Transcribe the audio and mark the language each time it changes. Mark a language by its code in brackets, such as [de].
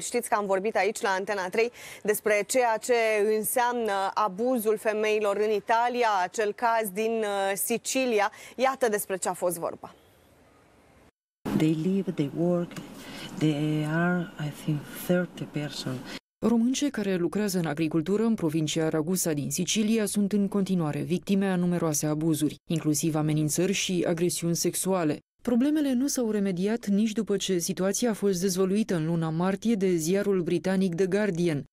[ro] Știți că am vorbit aici la Antena 3 despre ceea ce înseamnă abuzul femeilor în Italia, acel caz din Sicilia. Iată despre ce a fost vorba. [en] They live, they work, they are, I think, 30 persons. [ro] Românce care lucrează în agricultură în provincia Ragusa din Sicilia sunt în continuare victime a numeroase abuzuri, inclusiv amenințări și agresiuni sexuale. Problemele nu s-au remediat nici după ce situația a fost dezvăluită în luna martie de ziarul britanic The Guardian.